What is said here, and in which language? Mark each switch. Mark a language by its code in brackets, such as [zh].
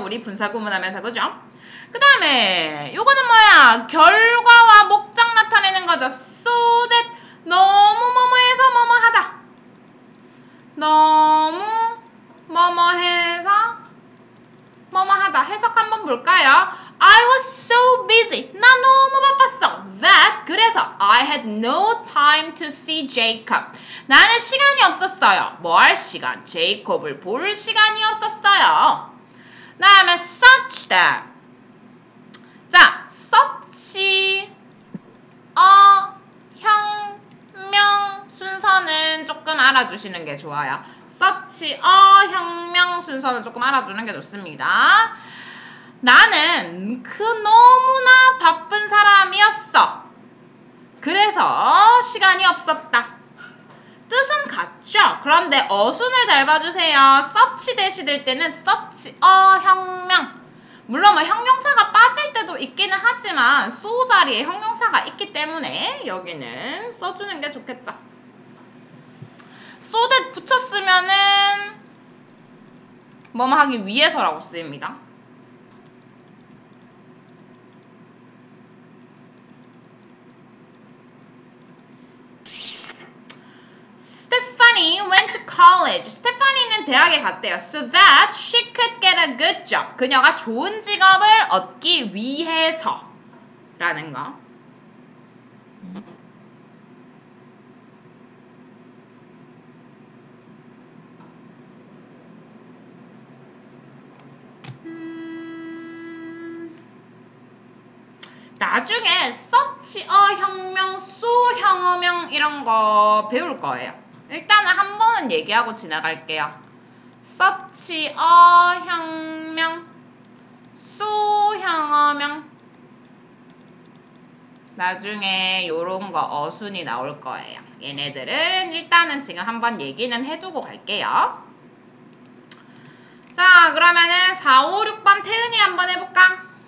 [ko] 우리 분사구문하면서, 그죠? 그 다음에 요거는 뭐야? 결과와 목적 나타내는 거죠. So that 너무 뭐뭐해서 뭐뭐하다. 너무 뭐뭐해서 뭐뭐하다. 해석 한번 볼까요? [en] I was so busy. [ko] 나 너무 바빴어. [en] That [ko] 그래서 [en] I had no time to see Jacob. [ko] 나는 시간이 없었어요. 뭐 할 시간? 제이콥을 볼 시간이 없었어요. 다음에 such that. 자, such a 혁명 순서는 조금 알아주시는 게 좋아요. such a 혁명 순서는 조금 알아주는 게 좋습니다. 나는 그 너무나 바쁜 사람이었어. 그래서 시간이 없었다. 뜻은 같죠? 그런데 어순을 잘 봐주세요. such 대시 될 때는 such a 혁명. 물론 뭐 형용사가 빠질 때도 있기는 하지만 so 자리에 형용사가 있기 때문에 여기는 써주는 게 좋겠죠. so that 붙였으면은 뭐뭐 하기 위해서라고 쓰입니다. [en] 스테파니 went to college. [ko] 스테파니는 대학에 갔대요. [en] So that she could get a good job. [ko] 그녀가 좋은 직업을 얻기 위해서 라는 거. 나중에 such a 혁명, so 혁명 이런 거 배울 거예요. 일단은 한 번은 얘기하고 지나갈게요. such a 혁명, so 혁명. 나중에 요런 거 어순이 나올 거예요. 얘네들은 일단은 지금 한번 얘기는 해두고 갈게요. 자, 그러면은 4, 5, 6번 태은이 한번 해볼까?